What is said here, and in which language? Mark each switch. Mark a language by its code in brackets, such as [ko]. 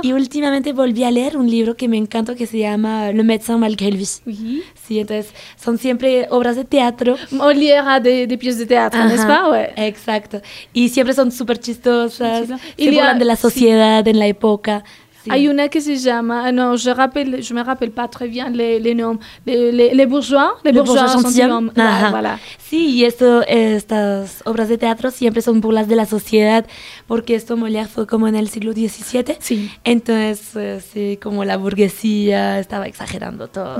[es] Y últimamente volví a leer un libro que me encanta que se llama Le médecin malgré lui. Uh-huh. Sí, entonces son siempre obras de teatro. Molière de pièces de teatro, ¿no es pas? [fr] Ouais. [es] Exacto. Y siempre son súper chistosas. Y se burlan de la sociedad, sí, en la época. Sí. Hay una que se llama, no, [fr] je me rappelle pas très bien les noms, les bourgeois, les bourgeois gentilhommes, voilà. [es] Sí, y esto, estas obras de teatro siempre son burlas de la sociedad, porque esto Molière fue como en el siglo XVII, sí. Entonces, sí, como la burguesía estaba exagerando todo.